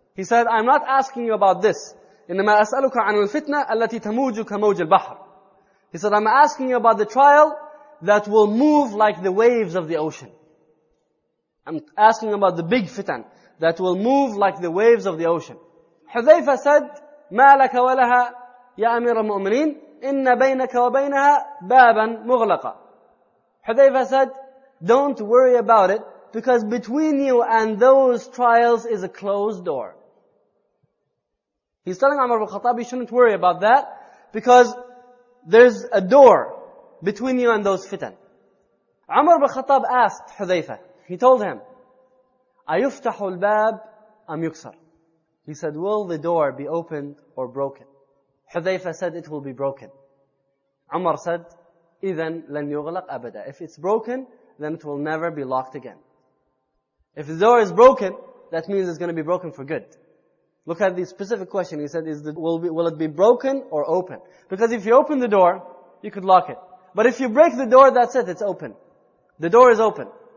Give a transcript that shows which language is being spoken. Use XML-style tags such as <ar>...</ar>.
<en>He said, I'm not asking you about this.</en> <ar>إِنَّمَا أَسْأَلُكَ عَنُ الْفِتْنَةِ أَلَّتِي تَمُوجُكَ مَوْجِ الْبَحْرِ.</ar> <en>He said, I'm asking you about the trial that will move like the waves of the ocean. I'm asking about the big fitan that will move like the waves of the ocean.</en> <ar>Hudhayfa said, مَا لَكَ وَلَهَا يَا أَمِيرَ الْمُؤْمِنِينَ إِنَّ بَيْنَكَ وَبَيْنَهَا بَابًا مُغْلَقًا.</ar> <en>Hudhayfa said, don't worry about it because between you and those trials is a closed door. He's telling Umar ibn Khattab, you shouldn't worry about that because there's a door between you and those fitan. Umar ibn Khattab asked Hudhayfa, he told him,</en> <ar>أَيُفْتَحُ الْبَابِ أَمْ يُكْسَرُ.</ar> <en>He said, will the door be opened or broken? Hudhayfa said, it will be broken.</en> <ar>Umar said, إِذَنْ لَنْ يُغْلَقْ أَبَدًا.</ar> <en>If it's broken, then it will never be locked again. If the door is broken, that means it's going to be broken for good. Look at the specific question. He said, will it be broken or open? Because if you open the door, you could lock it. But if you break the door, that's it, it's open. The door is open.</en>